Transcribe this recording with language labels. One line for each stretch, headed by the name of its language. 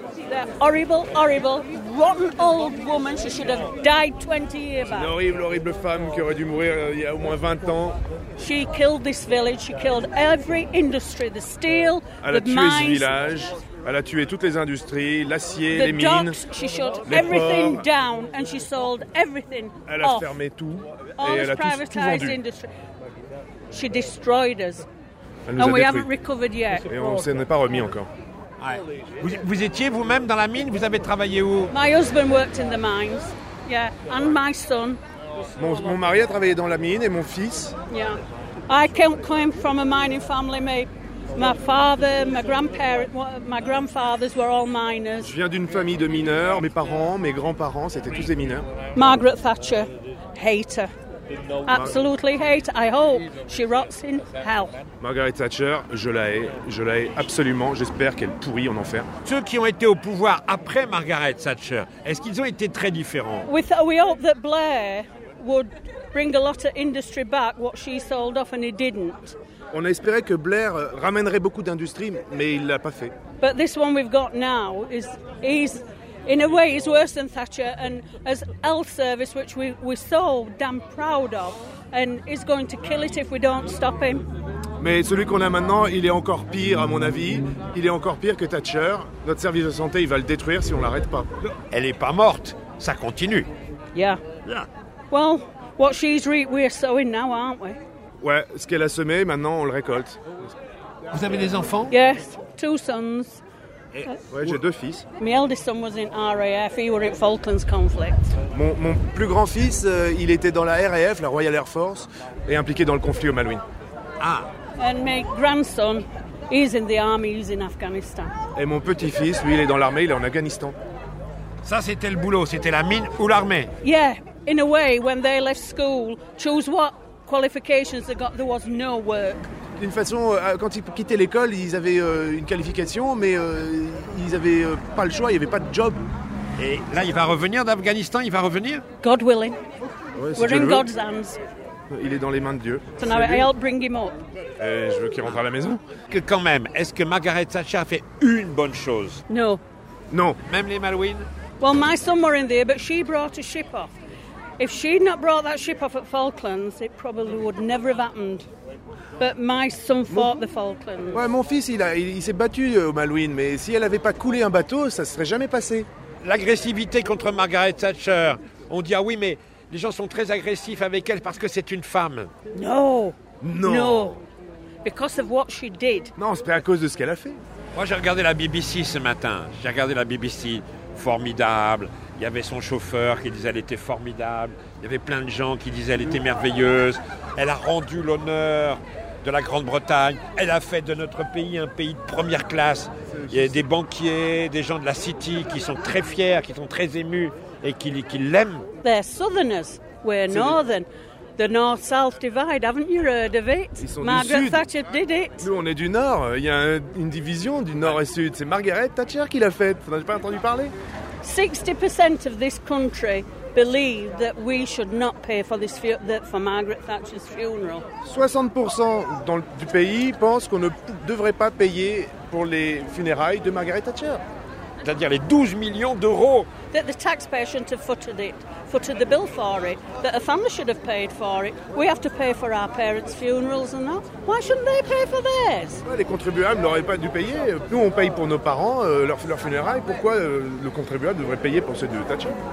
English: That horrible, horrible, rotten old woman. She should have died 20 years back.
French: Une horrible, horrible femme qui aurait dû mourir il y a au moins 20 ans.
English: She killed this village. She killed every industry. The steel,
French: elle
English: the mines.
French: Ce village. Elle a tué toutes les industries, l'acier, les mines.
English: The docks. She shut everything down and she sold everything off.
French: Elle a fermé tout.
English: All this privatized industry. She destroyed us. And we haven't recovered yet.
French: Et on s'en est pas remis encore. Vous étiez vous-même dans la mine, vous avez travaillé où?
English: My husband worked in the mines. Yeah, and my son.
French: Mon mari a travaillé dans la mine et mon fils.
English: Yeah. I came from a mining family. My father, my grandparents, my grandfathers were all miners.
French: Je viens d'une famille de mineurs, mes parents, mes grands-parents, c'était tous des mineurs.
English: Margaret Thatcher, hater. Absolutely hate. I hope she rots in hell.
French: Margaret Thatcher, je la hais absolument. J'espère qu'elle pourrit en enfer. Ceux qui ont été au pouvoir après Margaret Thatcher, est-ce qu'ils ont été très différents?
English: We hope that Blair would bring a lot of industry back, what she sold off, and he didn't.
French: On a espéré que Blair ramènerait beaucoup d'industrie, mais il l'a pas fait.
English: But this one we've got now is he's in a way, it's worse than Thatcher, and as health service, which we're so damn proud of, and is going to kill it if we don't stop him.
French: Mais celui qu'on a maintenant, il est encore pire, à mon avis. Il est encore pire que Thatcher. Notre service de santé, il va le détruire si on l'arrête pas. Elle est pas morte. Ça continue.
English: Yeah. Yeah. Well, what she's reaped, we're sowing now, aren't we?
French: Ouais, ce qu'elle a semé, maintenant, on le récolte. Vous avez des enfants?
English: Yes, two sons.
French: Ouais, j'ai deux fils.
English: My eldest son was in RAF. He was in Falklands conflict.
French: Mon plus grand fils, il était dans la RAF, la Royal Air Force, et impliqué dans le conflit aux Malouines. Ah.
English: And my grandson, he's in the army. He's in Afghanistan.
French: Et mon petit fils, lui, il est dans l'armée. Il est en Afghanistan. Ça, c'était le boulot. C'était la mine ou l'armée.
English: Yeah, in a way, when they left school, choose what qualifications they got. There was no work.
French: D'une façon, quand ils quittaient l'école, ils avaient une qualification, mais ils n'avaient pas le choix, il n'y avait pas de job. Et là, il va revenir d'Afghanistan, il va revenir ?
English: God willing.
French: Ouais,
English: we're in God's hands.
French: Il est dans les mains de Dieu.
English: So now I help bring him up.
French: Et je veux qu'il rentre à la maison. Que quand même, est-ce que Margaret Thatcher a fait une bonne chose ?
English: No.
French: Non. Même les Malouines ?
English: Well, my son were in there, but she brought a ship off. If she'd not brought that ship off at Falklands, it probably would never have happened. But my son fought the Falklands.
French: Ouais, mon fils, il s'est battu aux Malouines, mais si elle n'avait pas coulé un bateau, ça ne serait jamais passé. L'agressivité contre Margaret Thatcher. On dit, ah oui, mais les gens sont très agressifs avec elle parce que c'est une femme. Non. Non. Because of what she did. Non, c'est à cause de ce qu'elle a fait. Moi, j'ai regardé la BBC ce matin. J'ai regardé la BBC. Formidable. Il y avait son chauffeur qui disait qu'elle était formidable. Il y avait plein de gens qui disaient qu'elle était merveilleuse. Elle a rendu l'honneur de la Grande-Bretagne. Elle a fait de notre pays un pays de première classe. Il y a des banquiers, des gens de la City qui sont très fiers, qui sont très émus et qui l'aiment.
English: They're southerners, we're northern. The north-south divide, haven't you heard of it? Margaret Thatcher did it.
French: Nous, on est du nord. Il y a une division du nord et sud. C'est Margaret Thatcher qui l'a faite. Vous n'avez pas entendu parler?
English: 60% of this country believe that we should not pay for this for Margaret Thatcher's funeral.
French: 60% du pays pense qu'on ne devrait pas payer pour les funérailles de Margaret Thatcher. C'est-à-dire les 12 millions d'euros.
English: That the taxpayer shouldn't have footed the bill for it. That a family should have paid for it. We have to pay for our parents' funerals and that. Why shouldn't they pay for theirs?
French: Ouais, les contribuables n'auraient pas dû payer. Nous, on paye pour nos parents, leur funérailles. Pourquoi le contribuable devrait payer pour ceux de Thatcher?